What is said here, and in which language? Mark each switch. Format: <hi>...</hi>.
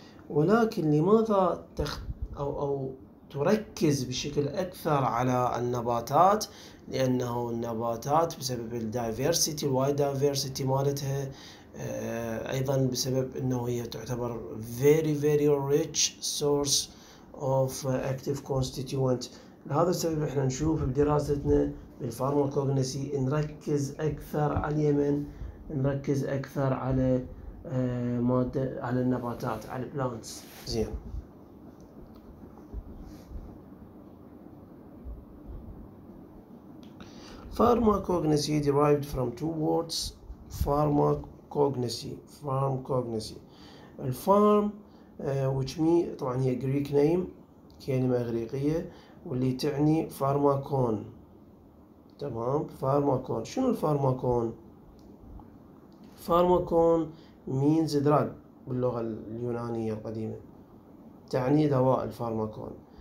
<ar>ولكن لماذا او تركز بشكل اكثر على النباتات؟ لانه النباتات بسبب الدايفيرسيتي، الوايد دايفيرسيتي مالتها، ايضا بسبب انه هي تعتبر</ar> <en>Very very rich source of active constituent.</en> <ar>لهذا السبب احنا نشوف بدراستنا بالفارماكوغنسي نركز اكثر على اليمن، نركز اكثر على ماده، على النباتات، على البلانتس.</ar> <en>زين، pharmacognosy derived from two words.</en> <ar>pharmacognosy, pharmacognosy, الفارم</ar> <en>which mean،</en> <ar>طبعا هي</ar> <en>Greek name،</en> <ar>كلمة إغريقية، واللي تعني pharmacon. تمام، pharmacon، شنو الفارماكون؟</ar> <en>pharmacon means drug</en> <ar>باللغة اليونانية القديمة، تعني دواء الفارماكون.</ar>